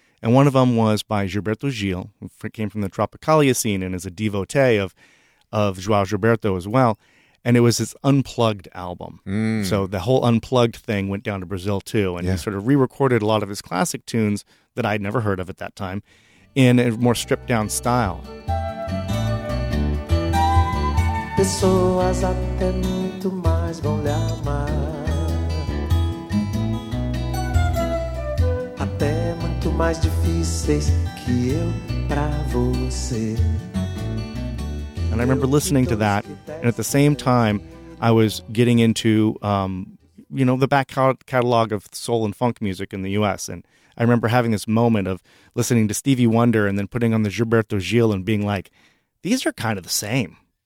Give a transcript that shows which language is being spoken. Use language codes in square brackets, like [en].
[en] And one of them was by Gilberto Gil, who came from the Tropicália scene and is a devotee of João Gilberto as well. And it was his Unplugged album. So the whole Unplugged thing went down to Brazil too. And he sort of re-recorded a lot of his classic tunes that I'd never heard of at that time in a more stripped down style. [pt] Pessoas até muito mais vão lhe amar, até muito mais difíceis que eu pra você. [en] And I remember listening to that, and at the same time, I was getting into the back catalog of soul and funk music in the US. And I remember having this moment of listening to Stevie Wonder and then putting on the Gilberto Gil and being like, these are kind of the same.